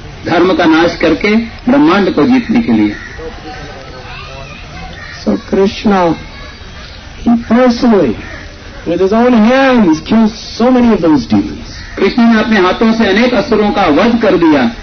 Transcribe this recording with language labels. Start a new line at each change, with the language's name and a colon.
Hindi: धर्म का नाश करके ब्रह्मांड को जीतने के लिए.
English: So Krishna, he personally, with his own hands, killed so many of those demons.
Hindi: Krishna ने अपने हाथों से अनेक असुरों का वध कर दिया.